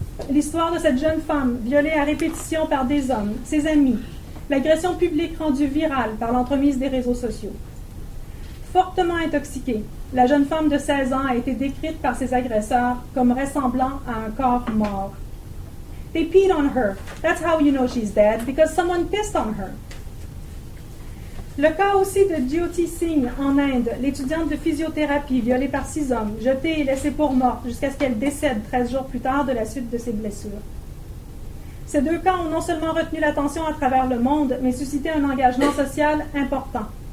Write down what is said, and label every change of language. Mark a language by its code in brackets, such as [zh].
[fr] L'histoire de cette jeune femme, violée à répétition par des hommes, ses amis, l'agression publique rendue virale par l'entremise des réseaux sociaux. Fortement intoxiquée, la jeune femme de 16 ans a été décrite par ses agresseurs comme ressemblant à un corps mort. [en] They peed on her. That's how you know she's dead, because someone pissed on her. [fr] Le cas aussi de Jyoti Singh en Inde, l'étudiante de physiothérapie violée par 6 hommes, jetée et laissée pour morte jusqu'à ce qu'elle décède 13 jours plus tard de la suite de ses blessures. Ces deux cas ont non seulement retenu l'attention à travers le monde, mais suscité un engagement social important.